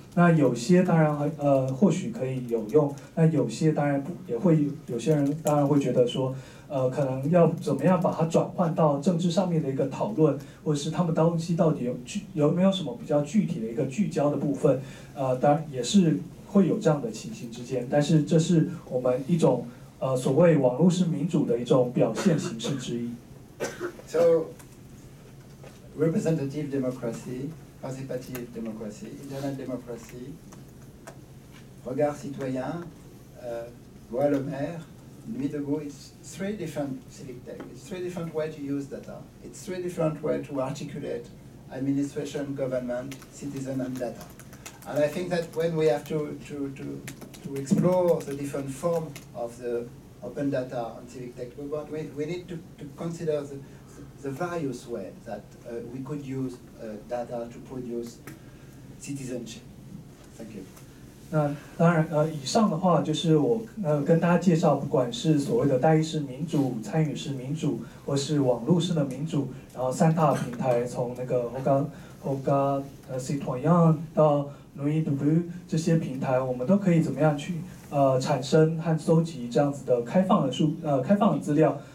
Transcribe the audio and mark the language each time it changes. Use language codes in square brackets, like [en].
[zh] 那有些当然或许可以有用，那有些当然也会有些人当然会觉得说可能要怎么样把它转换到政治上面的一个讨论，或者是他们东西到底有没有什么比较具体的一个聚焦的部分，当然也是会有这样的情形之间，但是这是我们一种所谓网络式民主的一种表现形式之一。 [en] So representative democracyParticipative democracy, internet democracy, regard citoyen, Loi Lemaire, Nuit Debout, it's three different civic tech, it's three different ways to use data, it's three different ways to articulate administration, government, citizen, and data. And I think that when we have to explore the different forms of the open data and civic tech movement, we need to consider the various ways that we could use data to produce citizenship. Thank you. [zh] 那当然，以上的话就是我跟大家介绍，不管是所谓的代议式民主、参与式民主，或是网络式的民主，然后三大平台，从那个Citoyen 到 Nuit Debout 这些平台，我们都可以怎么样去产生和搜集这样子的开放的资料。